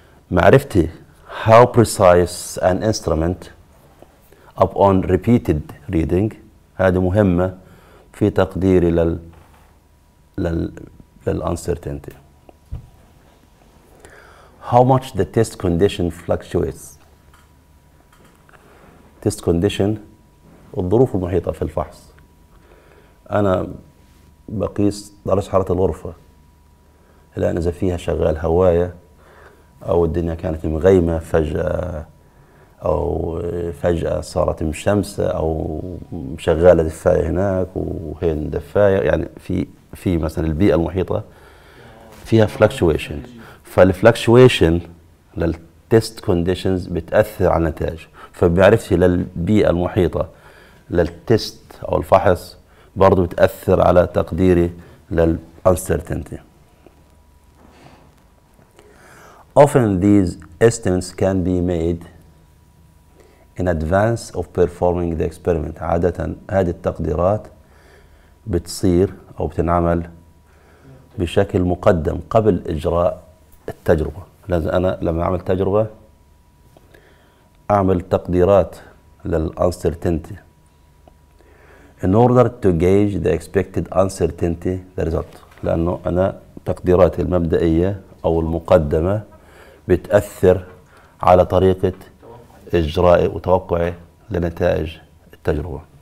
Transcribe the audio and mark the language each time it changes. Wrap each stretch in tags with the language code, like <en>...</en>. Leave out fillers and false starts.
<ar>فمعرفتي</ar> <en>how precise an instrument upon repeated reading</en> <ar>هذه مهمة في تقديري لل</ar> <en>uncertainty. How much the test condition fluctuates.</en> <ar>Test condition الظروف المحيطة في الفحص. أنا بقيس درجة حرارة الغرفة، الآن إذا فيها شغال هواية أو الدنيا كانت مغيمة فجأة أو فجأة صارت مشمسة أو شغالة دفاية هناك وهين دفاية، يعني في مثلا البيئة المحيطة فيها fluctuation. فالفلكشويشن للتست كونديشنز بتأثر على النتائج. فبعرفتي للبيئة المحيطة للتست أو الفحص برضو بتأثر على تقديري للأنسرتينتي.</ar> <en>Often these estimates can be made in advance of performing the experiment.</en> <ar>عادة هذه التقديرات بتصير أو بتنعمل بشكل مقدم قبل إجراء التجربة. لازم أنا لما أعمل تجربة أعمل تقديرات للأنسرتينتي</ar> <en>in order to gauge the expected uncertainty the result.</en> <ar>لأنه أنا تقديراتي المبدئية أو المقدمة بتأثر على طريقة إجرائي وتوقعي لنتائج التجربة.</ar>